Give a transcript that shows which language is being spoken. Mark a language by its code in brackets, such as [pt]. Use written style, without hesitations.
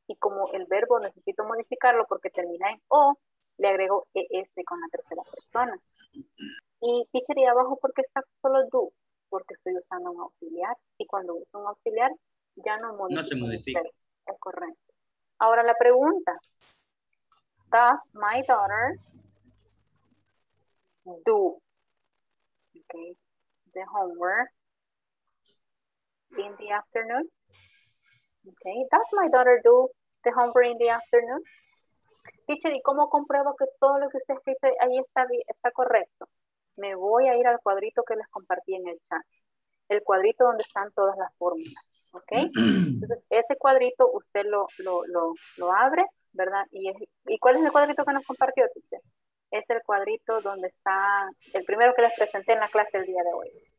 [es] Y como el verbo necesito modificarlo porque termina en o, le agrego es con la tercera persona. Y, teacher, ¿y abajo por qué está solo do? Porque estoy usando un auxiliar. Y cuando uso un auxiliar, ya no modifico. No se modifica. Es correcto. Ahora la pregunta. [en] Does my daughter do, okay, the homework in the afternoon? Okay, does my daughter do the homework in the afternoon? [es] Teacher, ¿y cómo compruebo que todo lo que usted escribe ahí está correcto? Me voy a ir al cuadrito que les compartí en el chat. El cuadrito donde están todas las fórmulas, ¿ok? Entonces, ese cuadrito usted lo abre, ¿verdad? ¿Y cuál es el cuadrito que nos compartió, teacher? Es el cuadrito donde está el primero que les presenté en la clase el día de hoy.